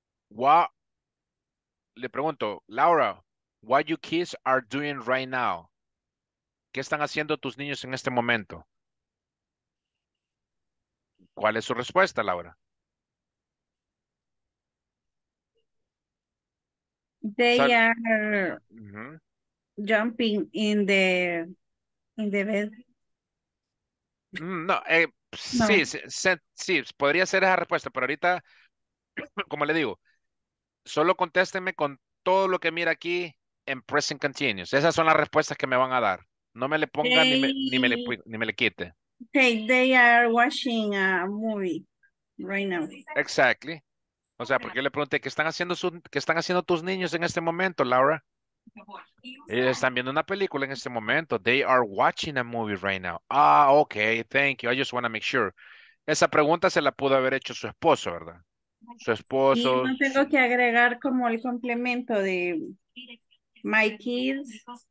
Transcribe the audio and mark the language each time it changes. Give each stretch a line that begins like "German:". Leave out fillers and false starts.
English: What,
Spanish: le pregunto,
English: Laura, what you kids are doing right now?
Spanish: ¿Qué están haciendo tus niños en este momento? ¿Cuál es su respuesta, Laura?
English: They are jumping in the bed.
Spanish: Sí, podría ser esa respuesta, pero ahorita, como le digo, solo contésteme con todo lo que mira aquí en
English: present continuous.
Spanish: Esas son las respuestas que me van a dar. No me le ponga ni me le quite.
English: Okay, they are watching a movie right now. Exactly.
Spanish: O sea, porque yo le pregunté, ¿qué están haciendo tus niños en este momento, Laura? Están viendo una película en este momento.
English: They are watching a movie right now. Ah, ok, thank you. I just want to make sure.
Spanish: Esa pregunta se la pudo haber hecho su esposo, ¿verdad? Su esposo. Sí, no tengo que agregar como el complemento de
English: my kids.